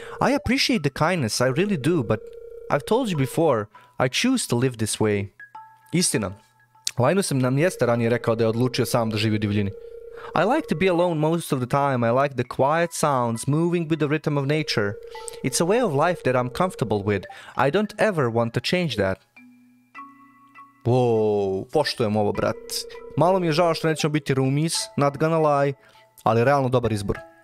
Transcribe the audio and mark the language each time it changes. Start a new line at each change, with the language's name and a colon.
English: I appreciate the kindness, I really do, but I've told you before, I choose to live this way.
Serbian: Istina. Linus nam jeste ranije rekao da je odlučio sam da živi u divljini.
English: I like to be alone most of the time. I like the quiet sounds, moving with the rhythm of nature. It's a way of life that I'm comfortable with. I don't ever want to change that.
Serbian: Wow, poštujem ovo, brat. Malo mi je žao što nećemo biti roomies,
English: not gonna lie,
Serbian: ali realno dobar izbor.